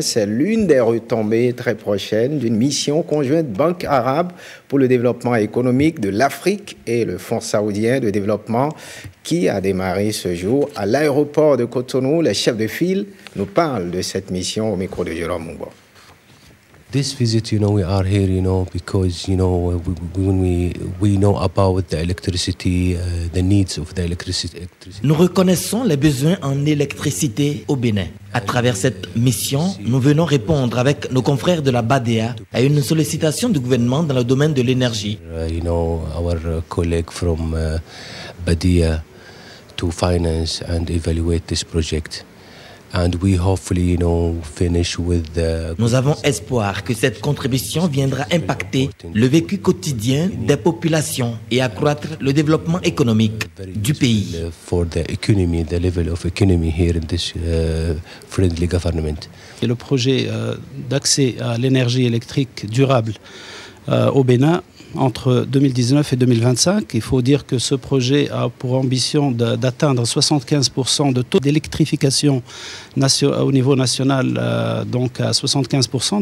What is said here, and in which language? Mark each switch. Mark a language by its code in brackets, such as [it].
[fr] C'est l'une des retombées très prochaines d'une mission conjointe Banque arabe pour le développement économique de l'Afrique et le Fonds saoudien de développement qui a démarré ce jour à l'aéroport de Cotonou. Le chef de file nous parle de cette mission au micro de Jérôme Mungo. [en] This visit, you know, we are here, you know, because, you know, we know about the electricity, the needs of the electricity. [fr] Nous reconnaissons les besoins en électricité au Bénin. À travers cette mission, nous venons répondre avec nos confrères de la BADEA à une sollicitation du gouvernement dans le domaine de l'énergie. [en] You know, our colleague from BADEA to finance and evaluate this project. And we hopefully, you know, finish with the... [fr] Nous avons espoir que cette contribution viendra impacter le vécu quotidien des populations et accroître le développement économique du pays. [en] For the economy, the level of economy here in this friendly government. [fr] Et le projet d'accès à l'énergie électrique durable au Bénin entre 2019 et 2025. Il faut dire que ce projet a pour ambition d'atteindre 75% de taux d'électrification au niveau national, donc à 75%.